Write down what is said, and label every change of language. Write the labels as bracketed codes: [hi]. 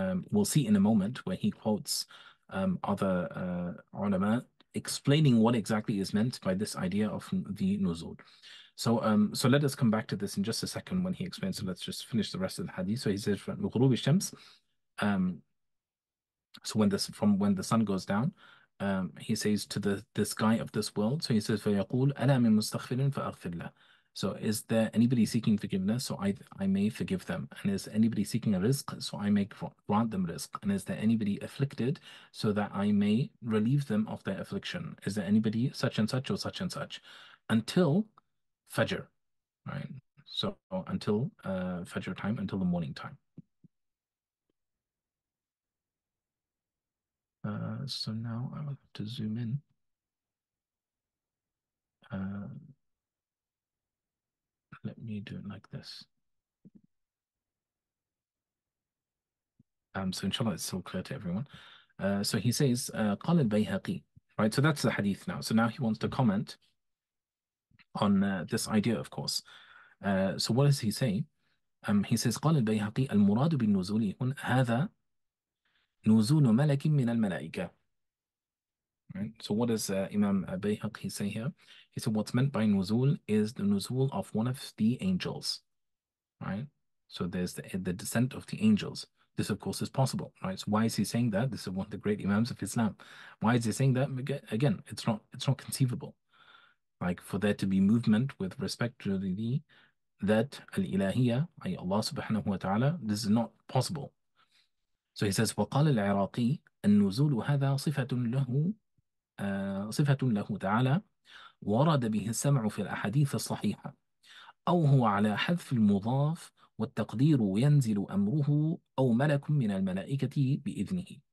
[en] We'll see in a moment where he quotes other ulama explaining what exactly is meant by this idea of the nuzul. So so let us come back to this in just a second when he explains. So let's just finish the rest of the hadith. So he says from ghurubi shams, so when this from when the sun goes down, he says to the sky of this world. So he says [ar] فَيَقُولْ أَنَا مِن مُسْتَغْفِرٍ فَأَغْفِرْ لَهُ. [en] So is there anybody seeking forgiveness? So I may forgive them. And is anybody seeking a rizq? So I may grant them rizq. And is there anybody afflicted? So that I may relieve them of their affliction. Is there anybody such and such or such and such? Until Fajr, right? So until Fajr time, until the morning time. So now I will have to zoom in. Let me do it like this. So inshallah, it's still clear to everyone. So he says, [ar] قال البيهقي, [en] right? So that's the hadith now. So now he wants to comment on this idea, of course. So what does he say? He says, [ar] قال البيهقي, المراد بالنزول هنا هذا نزول ملك من الملائكة. [en] Right. So what does Imam Bayhaqi say here? He said, what's meant by nuzul is the nuzul of one of the angels, right? So there's the descent of the angels. This, of course, is possible, right? So why is he saying that? This is one of the great imams of Islam. Why is he saying that? Again, it's not conceivable. Like, for there to be movement with respect to the that al-ilahiyya, i.e. Allah subhanahu wa ta'ala, this is not possible. So he says, [ar] وَقَالَ الْعِرَاقِي النُّزُولُ هَذَا صِفَةٌ لَهُ صفة له تعالى ورد به السمع في الأحاديث الصحيحة أو هو على حذف المضاف والتقدير ينزل أمره أو ملك من الملائكة بإذنه.